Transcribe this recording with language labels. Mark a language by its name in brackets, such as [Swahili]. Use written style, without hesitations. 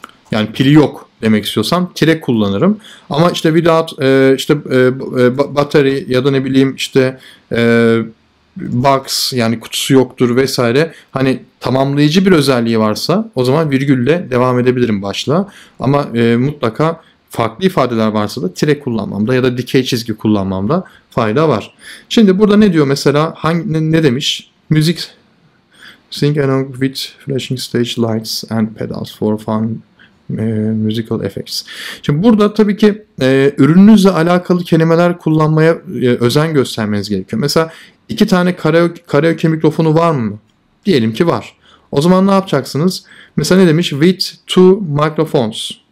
[Turkish] Yani pili yok demek istiyorsam tire kullanırım. Ama işte without işte battery ya da ne bileyim işte box yani kutusu yoktur vesaire. Hani tamamlayıcı bir özelliği varsa o zaman virgülle devam edebilirim başla. Ama mutlaka farklı ifadeler varsa da tire kullanmamda ya da dikey çizgi kullanmamda fayda var. Şimdi burada ne diyor mesela ne demiş? [English] Müzik sing along with flashing stage lights and pedals for fun. Musical effects. [Turkish] Şimdi burada tabii ki ürününüzle alakalı kelimeler kullanmaya özen göstermeniz gerekiyor. Mesela iki tane karaoke mikrofonu var mı? Diyelim ki var. O zaman ne yapacaksınız? Mesela ne demiş? [English] With two microphones.